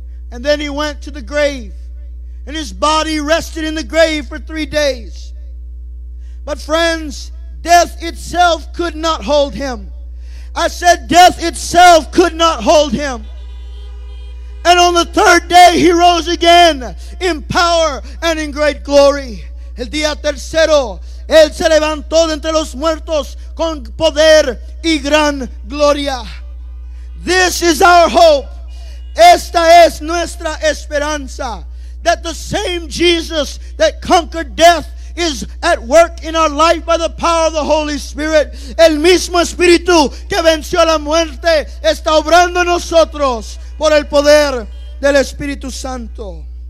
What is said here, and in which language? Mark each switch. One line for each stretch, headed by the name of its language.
English: And then he went to the grave, and his body rested in the grave for 3 days. But friends, death itself could not hold him. I said death itself could not hold him. And on the third day he rose again in power and in great glory.
Spanish: El día tercero, Él se levantó de entre los muertos con poder y gran gloria.
English: This is our hope.
Spanish: Esta es nuestra esperanza.
English: That the same Jesus that conquered death is at work in our life by the power of the Holy Spirit.
Spanish: El mismo Espíritu que venció la muerte está obrando en nosotros por el poder del Espíritu Santo.